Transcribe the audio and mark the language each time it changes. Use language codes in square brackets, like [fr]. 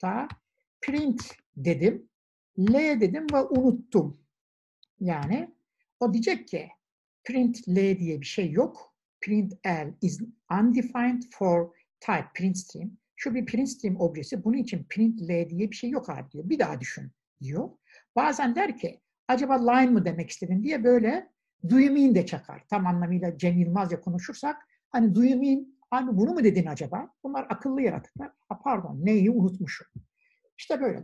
[tr] System.out.print dedim. L dedim ve unuttum. Yani o diyecek ki print L diye bir şey yok. [en] Print L is undefined for type print stream. [tr] Şu bir print stream objesi. Bunun için print L diye bir şey yok abi diyor. Bir daha düşün diyor. Bazen der ki acaba line mı demek istedin diye böyle [en] do you mean [tr] de çakar. Tam anlamıyla Cem Yılmaz'ya konuşursak hani [en] do you mean [tr] hani bunu mu dedin acaba? Bunlar akıllı yaratıklar. Ha, pardon neyi unutmuşum. İşte böyle.